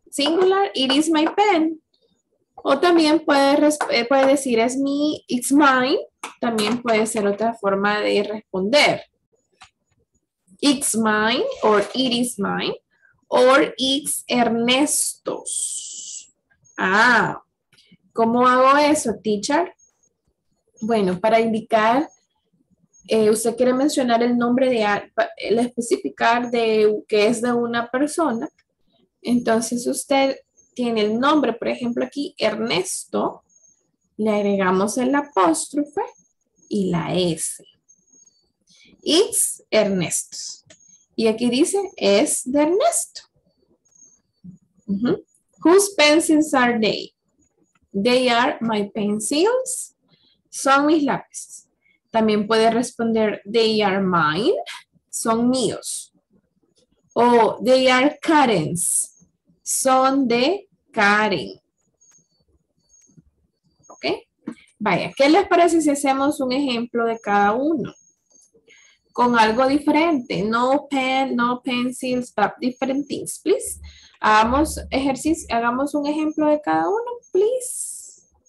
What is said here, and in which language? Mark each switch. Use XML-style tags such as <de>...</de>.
<en>Singular, it is my pen.</en> <es>O también puede decir, es mi,</es> <en>it's mine.</en> <es>También puede ser otra forma de responder.</es> <en>It's mine, or it is mine, or it's Ernesto's.</en> <es>Ah, ¿cómo hago eso, teacher? Bueno, para indicar, usted quiere mencionar el nombre de, el especificar de que es de una persona. Entonces usted tiene el nombre, por ejemplo aquí, Ernesto, le agregamos el apóstrofe y la S.</es> <en>It's Ernesto.</en> <es>Y aquí dice, es de Ernesto.</es> <en>Whose pencils are they? They are my pencils.</en> <es>Son mis lápices. También puede responder,</es> <en>they are mine.</en> <es>Son míos. O,</es> <en>they are Karen's.</en> <es>Son de Karen. ¿Ok? Vaya, ¿qué les parece si hacemos un ejemplo de cada uno? Con algo diferente.</es> <en>No pen, no pencils, but different things, please.</en> <es>Hagamos ejercicio, hagamos un ejemplo de cada uno, please.</es>